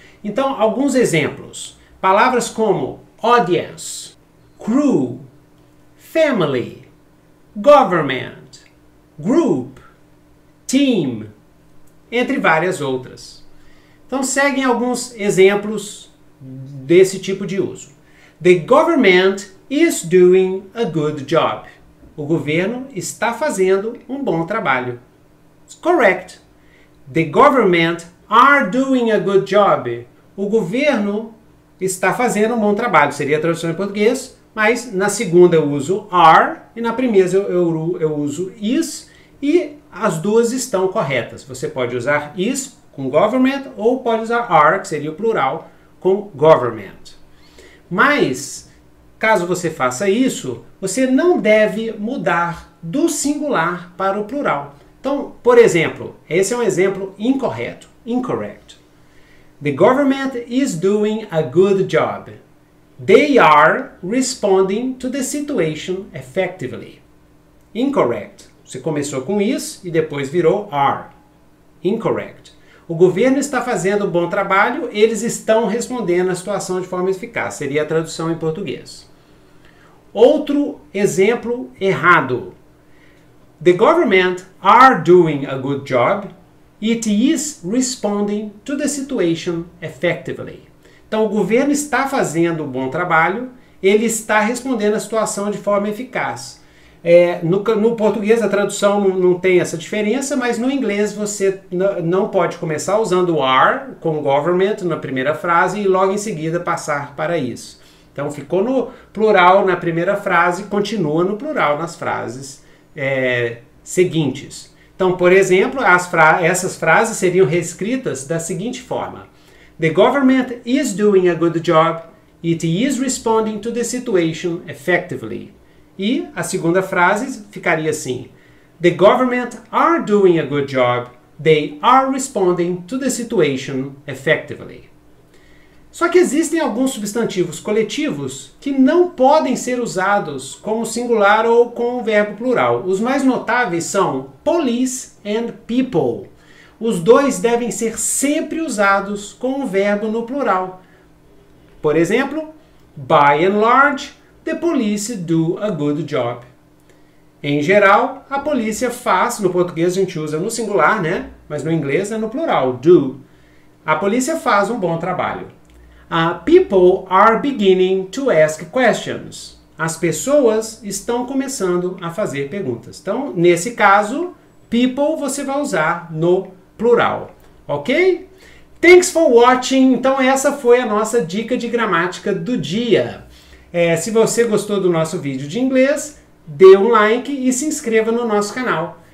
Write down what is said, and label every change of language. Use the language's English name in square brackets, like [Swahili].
[Portuguese] Então, alguns exemplos. Palavras como audience, crew, family, government, group, team, entre várias outras. Então, seguem alguns exemplos desse tipo de uso. [English] The government is doing a good job. [Portuguese] O governo está fazendo um bom trabalho. [English] It's correct. The government are doing a good job. [Portuguese] O governo está fazendo um bom trabalho. Seria a tradução em português, mas na segunda eu uso are e na primeira eu uso is. E as duas estão corretas. Você pode usar is com government, ou pode usar are, que seria o plural, com government. Mas, caso você faça isso, você não deve mudar do singular para o plural. Então, por exemplo, esse é um exemplo incorreto, incorrect. [English] The government is doing a good job. They are responding to the situation effectively. Incorrect. [Portuguese] Você começou com is e depois virou are. Incorrect. O governo está fazendo um bom trabalho, eles estão respondendo à situação de forma eficaz. Seria a tradução em português. Outro exemplo errado. [English] The government are doing a good job. It is responding to the situation effectively. [Portuguese] Então, o governo está fazendo um bom trabalho, ele está respondendo à situação de forma eficaz. No português a tradução não tem essa diferença, mas no inglês você não pode começar usando o are com government na primeira frase e logo em seguida passar para isso. Então ficou no plural na primeira frase, continua no plural nas frases seguintes. Então, por exemplo, essas frases seriam reescritas da seguinte forma. [English] The government is doing a good job. It is responding to the situation effectively. [Portuguese] E a segunda frase ficaria assim. [English] The government are doing a good job. They are responding to the situation effectively. [Portuguese] Só que existem alguns substantivos coletivos que não podem ser usados como singular ou com o verbo plural. Os mais notáveis são police and people. Os dois devem ser sempre usados com o verbo no plural. Por exemplo, [English] by and large, the police do a good job. [Portuguese] Em geral, a polícia faz, no português a gente usa no singular, né? Mas no inglês é no plural, do. A polícia faz um bom trabalho. [English] People are beginning to ask questions. [Portuguese] As pessoas estão começando a fazer perguntas. Então, nesse caso, people você vai usar no plural, ok? [English] Thanks for watching. [Portuguese] Então, essa foi a nossa dica de gramática do dia. Se você gostou do nosso vídeo de inglês, dê um like e se inscreva no nosso canal.